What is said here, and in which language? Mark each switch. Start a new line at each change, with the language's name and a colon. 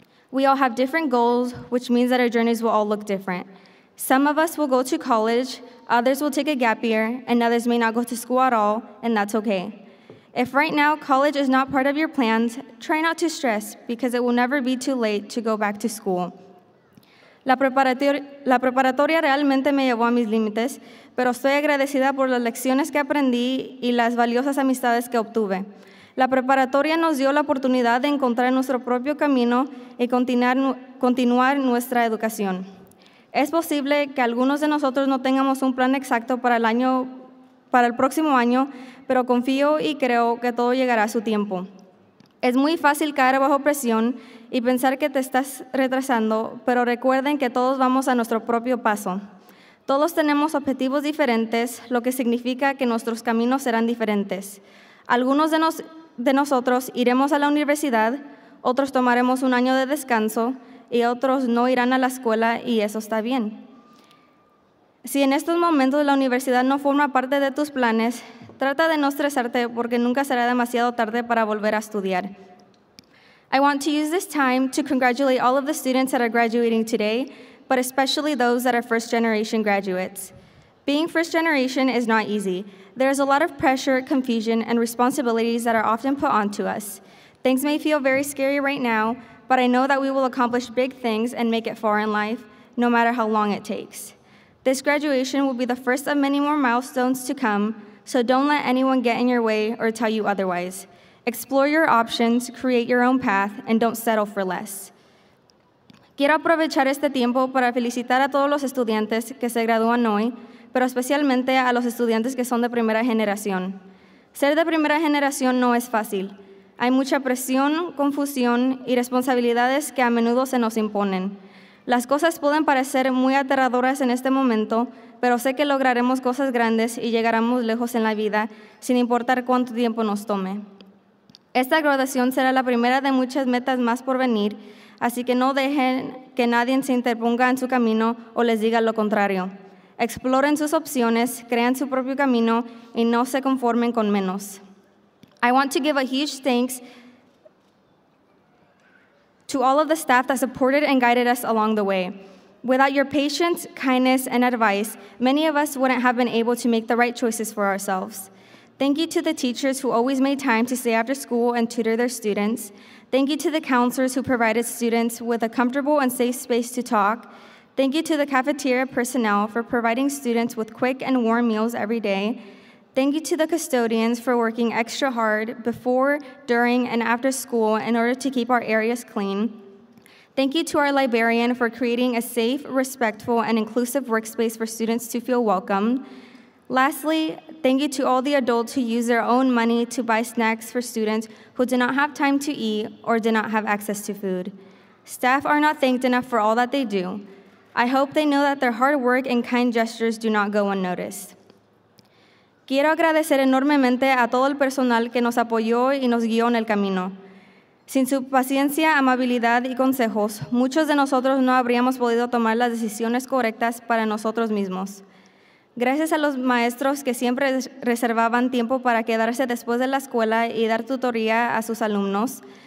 English: We all have different goals, which means that our journeys will all look different. Some of us will go to college, others will take a gap year, and others may not go to school at all, and that's okay. If right now college is not part of your plans, try not to stress, because it will never be too late to go back to school.
Spanish: La preparatoria realmente me llevó a mis límites, pero estoy agradecida por las lecciones que aprendí y las valiosas amistades que obtuve. La preparatoria nos dio la oportunidad de encontrar nuestro propio camino y continuar nuestra educación. Es posible que algunos de nosotros no tengamos un plan exacto para el próximo año, pero confío y creo que todo llegará a su tiempo. Es muy fácil caer bajo presión y pensar que te estás retrasando, pero recuerden que todos vamos a nuestro propio paso. Todos tenemos objetivos diferentes, lo que significa que nuestros caminos serán diferentes. Algunos de nosotros iremos a la universidad, otros tomaremos un año de descanso y otros no irán a la escuela y eso está bien. Si en estos momentos la universidad no forma parte de tus planes, trata de no estresarte porque nunca será demasiado tarde para volver a estudiar.
English: I want to use this time to congratulate all of the students that are graduating today, but especially those that are first generation graduates. Being first generation is not easy. There is a lot of pressure, confusion, and responsibilities that are often put onto us. Things may feel very scary right now, but I know that we will accomplish big things and make it far in life, no matter how long it takes. This graduation will be the first of many more milestones to come, so don't let anyone get in your way or tell you otherwise. Explore your options, create your own path, and don't settle for less.
Spanish: Quiero aprovechar este tiempo para felicitar a todos los estudiantes que se gradúan hoy, pero especialmente a los estudiantes que son de primera generación. Ser de primera generación no es fácil. Hay mucha presión, confusión y responsabilidades que a menudo se nos imponen. Las cosas pueden parecer muy aterradoras en este momento, pero sé que lograremos cosas grandes y llegaremos lejos en la vida, sin importar cuánto tiempo nos tome. Esta graduación será la primera de muchas metas más por venir, así que no dejen que nadie se interponga en su camino o les diga lo contrario. Exploren sus opciones, crean su propio camino, y no se conformen con menos.
English: I want to give a huge thanks to all of the staff that supported and guided us along the way. Without your patience, kindness, and advice, many of us wouldn't have been able to make the right choices for ourselves. Thank you to the teachers who always made time to stay after school and tutor their students. Thank you to the counselors who provided students with a comfortable and safe space to talk. Thank you to the cafeteria personnel for providing students with quick and warm meals every day. Thank you to the custodians for working extra hard before, during, and after school in order to keep our areas clean. Thank you to our librarian for creating a safe, respectful, and inclusive workspace for students to feel welcome. Lastly, thank you to all the adults who use their own money to buy snacks for students who do not have time to eat or do not have access to food. Staff are not thanked enough for all that they do. I hope they know that their hard work and kind gestures do not go unnoticed.
Spanish: Quiero agradecer enormemente a todo el personal que nos apoyó y nos guió en el camino. Sin su paciencia, amabilidad y consejos, muchos de nosotros no habríamos podido tomar las decisiones correctas para nosotros mismos. Gracias a los maestros que siempre reservaban tiempo para quedarse después de la escuela y dar tutoría a sus alumnos.